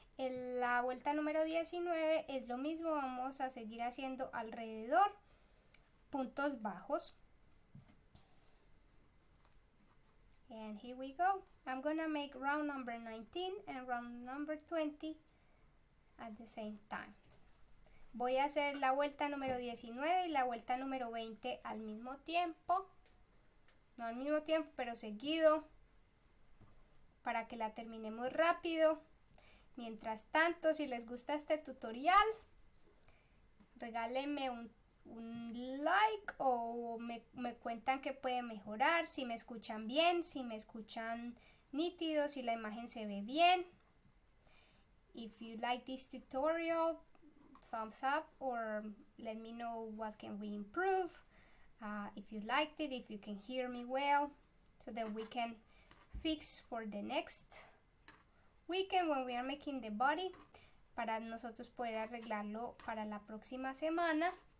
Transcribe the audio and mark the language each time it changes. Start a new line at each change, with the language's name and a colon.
Spanish: En la vuelta número 19 es lo mismo, vamos a seguir haciendo alrededor puntos bajos.
English: And here we go. I'm gonna make round number 19 and round number 20 at the same time.
Spanish: Voy a hacer la vuelta número 19 y la vuelta número 20 al mismo tiempo. No al mismo tiempo, pero seguido, para que la terminemos rápido. Mientras tanto, si les gusta este tutorial, regálenme un like o me cuentan que puede mejorar, si me escuchan bien, si me escuchan nítido, si la imagen se ve bien.
English: If you like this tutorial, thumbs up or let me know what can we improve. If you liked it, if you can hear me well, so that we can fix for the next weekend when we are making the body,
Spanish: para nosotros poder arreglarlo para la próxima semana.